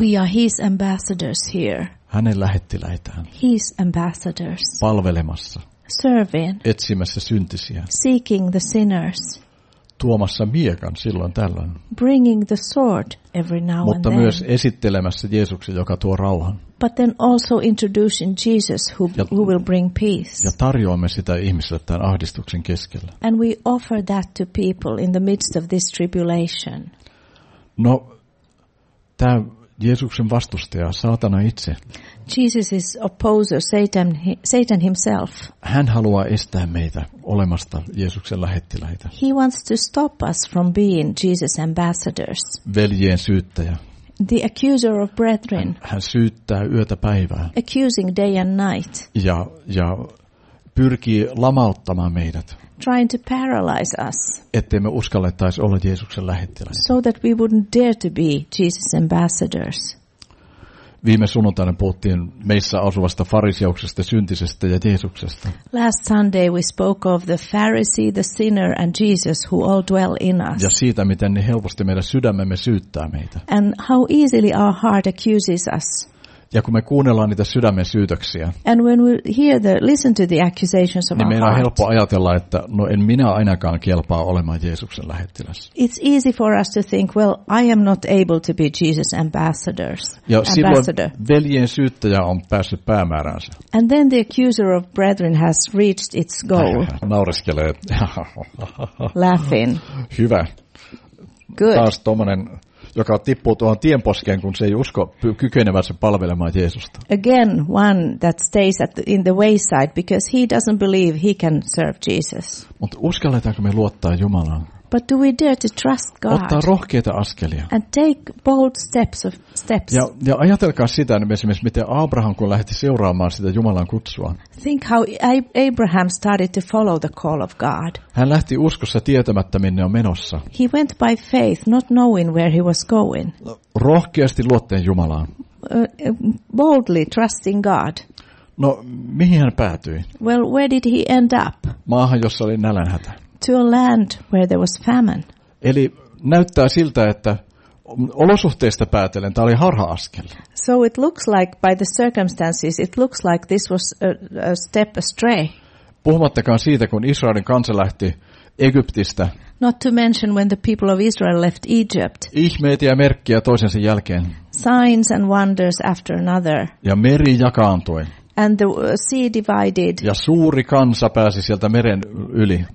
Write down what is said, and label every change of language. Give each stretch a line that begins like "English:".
English: We are his ambassadors here.
Finnish: Hänen lähettiläitään.
English: His ambassadors.
Finnish: Palvelemassa.
English: Serving.
Finnish: Etsimässä syntisiä.
English: Seeking the sinners.
Finnish: Tuomassa miekan silloin tällöin.
English: Bringing the sword every now and then.
Finnish: Mutta myös esittelemässä Jeesuksen, joka tuo rauhan.
English: But then also introducing Jesus who will bring peace.
Finnish: Ja tarjoamme sitä ihmiselle tämän ahdistuksen keskellä.
English: And we offer that to people in the midst of this tribulation.
Finnish: No, tämä Jeesuksen vastustaja, saatana itse.
English: Jesus' opposer, Satan himself.
Finnish: Hän haluaa estää meitä olemasta Jeesuksen lähettiläitä.
English: He wants to stop us from being Jesus' ambassadors.
Finnish: Veljien syyttäjä.
English: The accuser of brethren.
Finnish: Hän syyttää yötä päivää.
English: Accusing day and night.
Finnish: Ja pyrkii lamauttamaan meidät.
English: Trying to paralyze us.
Finnish: Ettei me uskallettaisi olla Jeesuksen lähettiläitä.
English: So that we wouldn't dare to be Jesus' ambassadors.
Finnish: Viime sunnuntaina puhuttiin meissä asuvasta fariseuksesta, syntisestä ja Jeesuksesta.
English: Last Sunday we spoke of the Pharisee, the sinner and Jesus who all dwell in us.
Finnish: Ja siitä, miten niin helposti meidän sydämemme syyttää meitä.
English: And how easily our heart accuses us.
Finnish: Ja kun me kuunnellaan niitä sydämen syytöksiä,
English: and when we hear the, listen to the accusations of
Finnish: niin meidän
English: our
Finnish: on helppo ajatella, että no en minä ainakaan kelpaa olemaan Jeesuksen lähettiläs.
English: It's easy for us to think, well, I am not able to be Jesus' ambassadors.
Finnish: Ja
English: ambassador.
Finnish: Silloin veljen syyttäjä on päässyt päämääränsä.
English: And then the accuser of brethren has reached its goal.
Finnish: Naureskelee.
English: Laughing.
Finnish: Hyvä.
English: Good.
Finnish: Taas tommonen, joka tippuu tuohon tienposkeen, kun se ei usko kykenevänsä palvelemaan Jeesusta.
English: Again, one that stays at in the wayside because he doesn't believe he can serve Jesus.
Finnish: Mutta uskalletaanko me luottaa Jumalaan?
English: But do we dare to trust God?
Finnish: Ottaa rohkeita askelia.
English: And take bold steps.
Finnish: Ja ajatelkaa sitä, niin esimerkiksi miten Abraham kun lähti seuraamaan sitä Jumalan kutsua.
English: Think how Abraham started to follow the call of God.
Finnish: Hän lähti uskossa tietämättä minne on menossa.
English: He went by faith, not knowing where he was going.
Finnish: Rohkeasti luotteen Jumalaan.
English: Boldly trusting God.
Finnish: No, mihin hän päätyi?
English: Well, where did he end up?
Finnish: maahan, jossa oli nälänhätä.
English: To a land where there was famine.
Finnish: Eli näyttää siltä, että olosuhteista päätellen tämä oli harha-askel.
English: So it looks like by the circumstances it looks like this was a step astray.
Finnish: Puhumattakaan siitä, kun Israelin kansa lähti Egyptistä.
English: Not to mention when the people of Israel left Egypt.
Finnish: Ihmeitä ja merkkiä toisensa jälkeen.
English: Signs and wonders after another.
Finnish: Ja meri jakaantui.
English: And the sea divided.
Finnish: Ja suuri kansa pääsi sieltä meren yli.